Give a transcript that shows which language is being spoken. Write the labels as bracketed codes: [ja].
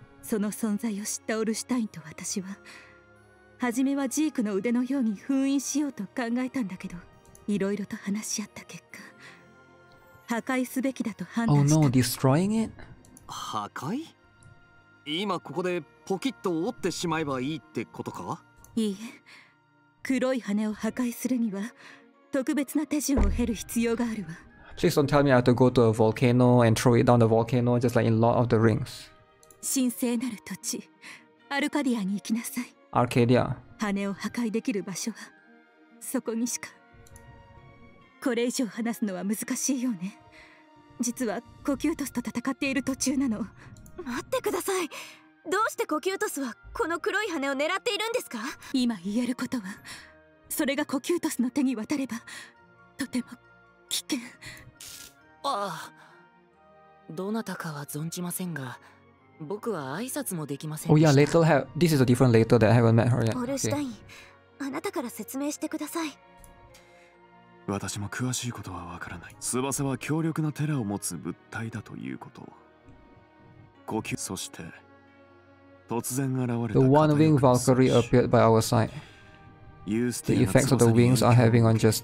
[ja] その存在を知ったオルシュタインと私は、初めはジークの腕のように封印しようと考えたんだけど、いろいろと話し合った結果、破壊すべきだと判断した。 [en] Oh no, destroying it? [ja] 破壊？今ここでポキッと折ってしまえばいいってことか？いいえ、黒い羽を破壊するには特別な手順を経る必要があるわ。 [en] Please don't tell me I have to go to a volcano and throw it down the volcano just like in Lord of the Rings. [ja] 神聖なる土地、アルカディアに行きなさい。アルカディア。羽を破壊できる場所はそこにしか。これ以上話すのは難しいよね。実はコキュートスと戦っている途中なの。待ってください。どうしてコキュートスはこの黒い羽を狙っているんですか？今言えることは、それがコキュートスの手に渡ればとても危険。ああ、どなたかは存じませんが、僕は挨拶もできませんでした。 [en] Oh yeah, Little have... This is a different Little that I haven't met her yet. [ja] オルシュタイン、あなたから説明してください。私も詳しいことはわからない。翼は強力なテラを持つ物体だということ。呼吸、そして [en] The one winged Valkyrie appeared by our side. The effects of the wings are having on just